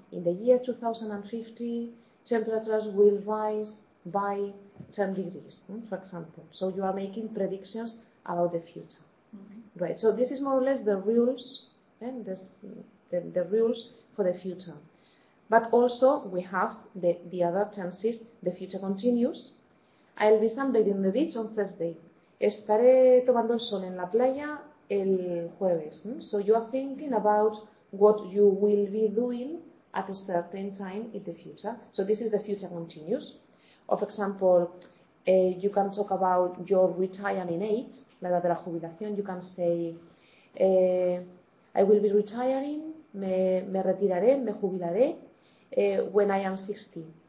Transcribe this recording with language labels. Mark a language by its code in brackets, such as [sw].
[en] In the year 2050, temperatures will rise by 10 degrees, for example. So you are making predictions about the future. Mm-hmm. Right. So this is more or less the rules, and the rules for the future. But also we have the other tenses, the future continues. I'll be sunbathing the beach on Thursday. [es] Estaré tomando el sol en la playa el jueves. [en] So you are thinking about what you will be doing at a certain time in the future. So this is the future continuous. Or for example, You can talk about your retiring age, [es] la edad de la jubilación. [en] You can say, I will be retiring, [es] me retiraré, me jubilaré, [en] when I am 60.